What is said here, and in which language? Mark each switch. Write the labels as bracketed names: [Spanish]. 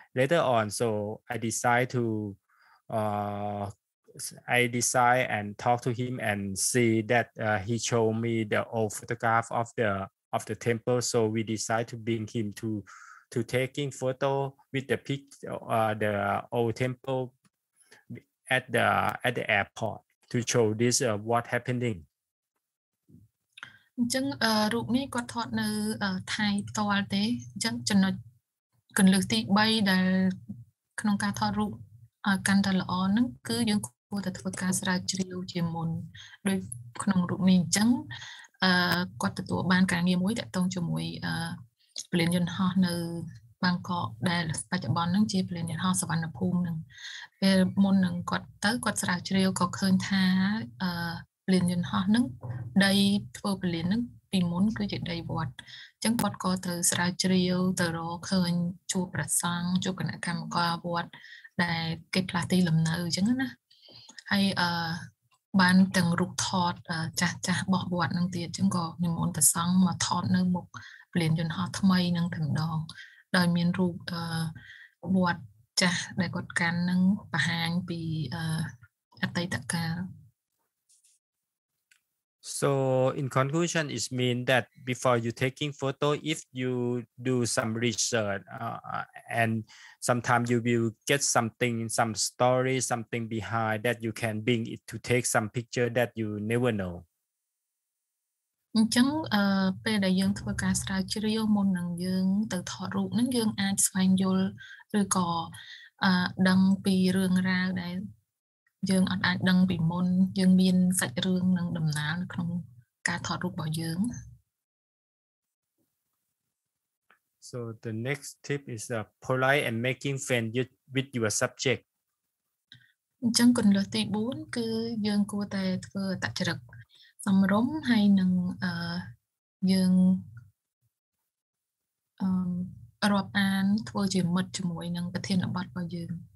[English] Later on, so I decide and talk to him and see that he showed me the old photograph of the temple. So we decide to bring him to taking photo with the picture, the old temple at the airport to show this what happening. [Khmer] ចឹងរូបនេះគាត់ថតនៅថៃផ្ទាល់ទេចឹងចំណុចគន្លឹះទី3ដែលក្នុងការថតរូបឲ្យកាន់តែល្អហ្នឹងគឺយើងគួរតែធ្វើការស្រាវជ្រាវជាមុនដូចក្នុងរូបនេះអញ្ចឹងគាត់ទទួលបានការងារមួយតាក់ទងជាមួយព្រលានយន្តហោះនៅបាងកកដែលបច្ចុប្បន្នហ្នឹងជាព្រលានយន្តហោះសុវណ្ណភូមិហ្នឹងពេលមុនហ្នឹងគាត់ទៅគាត់ស្រាវជ្រាវក៏ឃើញថា ព្រលានយន្តហោះហ្នឹងដីធ្វើព្រលានហ្នឹងពីមុនគឺជាដីវត្តអញ្ចឹងគាត់ក៏ត្រូវស្រាវជ្រាវទៅរកឃើញជួបប្រសង់ជួបគណៈកម្មការវត្តដែលគេផ្លាស់ទីលំនៅអញ្ចឹងណាហើយបានទាំងរូបថតចាស់ចាស់បោះវត្តនឹងទៀតអញ្ចឹងក៏និមន្តប្រសង់មកថតនៅមុខព្រលានយន្តហោះថ្មីនឹងម្ដងដោយមានរូបវត្តចាស់ដែលគាត់កាន់នឹងបង្ហាញពីអតីតកាល [English] So in conclusion, it means that before you taking photo, if you do some research and sometimes you will get something, some story, something behind that you can bring it to take some picture that you never know. [Khmer] អញ្ចឹងពេលដែលយើងធ្វើការស្រាវជ្រាវមុននឹងយើងទៅថតរូបនឹងយើងអាចស្វែងយល់ឬក៏ដឹងពីរឿងរ៉ាវដែល យើងអត់អាចដឹងពីមុនយើងមានសាច់រឿងនឹងដំណាលក្នុងការថតរូបរបស់យើង [English] So the next tip is a polite and making friends with your subject [Khmer] អញ្ចឹងគន្លឹះទី4គឺយើងគួរតែធ្វើអត្តចរិតសមរម្យហើយនឹងយើងរាប់អានធ្វើជាមិត្តជាមួយនឹងប្រធានបទរបស់យើង